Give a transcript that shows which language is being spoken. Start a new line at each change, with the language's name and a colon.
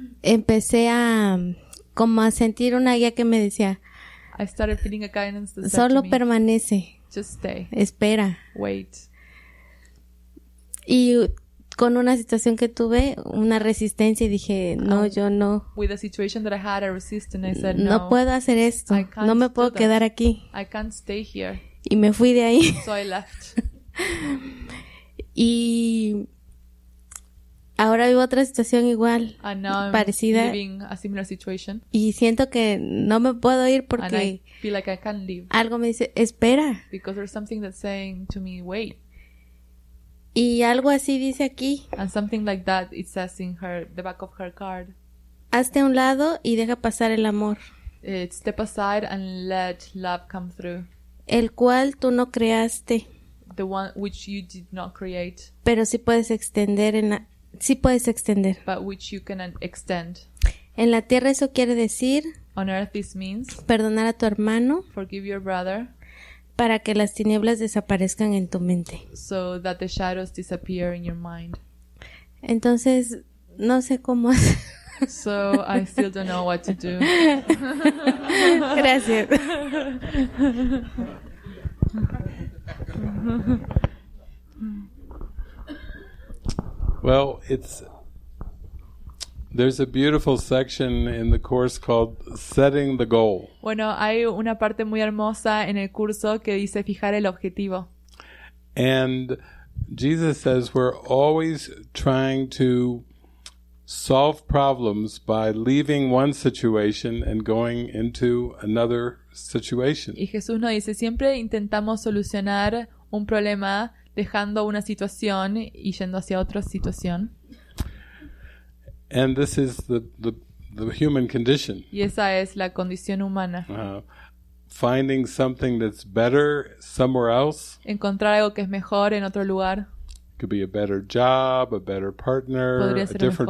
Spanish: empecé a como a sentir una guía que me decía,
English: I started feeling a guidance that
Spanish: solo me, permanece.
English: Just stay.
Spanish: Espera.
English: Wait.
Spanish: Y con una situación que tuve, una resistencia, y dije, no, yo no.
English: With the situation that I had, a resistance, I said,
Spanish: no puedo hacer esto. No me puedo quedar aquí.
English: I can't stay here.
Spanish: Y me fui de ahí.
English: So I left.
Spanish: Y ahora vivo otra situación igual, parecida.
English: Living a similar situation.
Spanish: Y siento que no me puedo ir porque
English: I feel like I can't leave.
Spanish: Algo me dice, espera.
English: Because there's something that's saying to me, wait.
Spanish: Y algo así dice aquí.
English: And something like that, it says in her, the back of her card.
Spanish: Hazte a un lado y deja pasar el amor.
English: Step aside and let love come through.
Spanish: El cual tú no creaste.
English: The one which you did not create.
Spanish: Pero sí puedes extender en la... Sí puedes extender.
English: But which you can extend.
Spanish: En la tierra eso quiere decir...
English: On earth this means...
Spanish: Perdonar a tu hermano.
English: Forgive your brother.
Spanish: Para que las tinieblas desaparezcan en tu mente.
English: So that the shadows disappear in your mind.
Spanish: Entonces, no sé cómo hacer.
English: So I still don't know what to do.
Spanish: Gracias.
English: Well, it's... There's a beautiful section in the course called Setting the Goal.
Spanish: Bueno, hay una parte muy hermosa en el curso que dice fijar el objetivo.
English: And Jesus says we're always trying to solve problems by leaving one situation and going into another situation.
Spanish: Y Jesús nos dice, siempre intentamos solucionar un problema dejando una situación y yendo hacia otra situación.
English: And this is the human condition.
Spanish: Y esa es la condición humana.
English: Finding something that's better somewhere else.
Spanish: Encontrar algo que es mejor en otro lugar.
English: Could be a better job, a better partner, a different